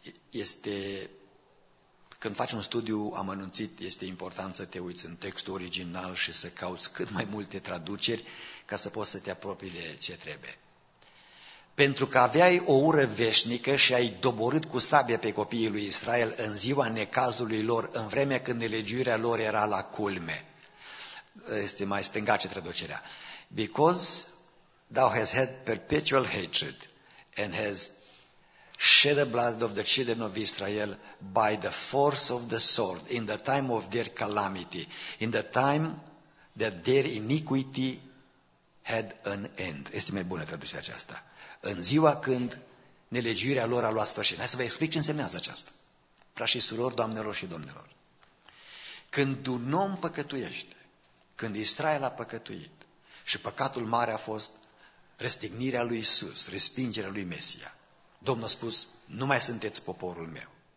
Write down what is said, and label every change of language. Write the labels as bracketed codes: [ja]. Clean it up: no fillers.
[ro] Este... Când faci un studiu amănunțit, este important să te uiți în textul original și să cauți cât mai multe traduceri ca să poți să te apropii de ce trebuie. Pentru că aveai o ură veșnică și ai doborât cu sabia pe copiii lui Israel în ziua necazului lor, în vremea când nelegiuirea lor era la culme. Este mai stângace traducerea. [en] Because thou hast had perpetual hatred and has shed the blood of the children of Israel by the force of the sword in the time of their calamity, in the time that their iniquity had an end. [ro] Este mai bună traducerea aceasta. În ziua când nelegiuirea lor a luat sfârșit. Hai să vă explic ce înseamnă aceasta. Frați și surori, doamnelor și domnilor, când un om păcătuiește, când Israel a păcătuit și păcatul mare a fost răstignirea lui Iisus, respingerea lui Mesia, Domnul a spus, nu mai sunteți poporul meu.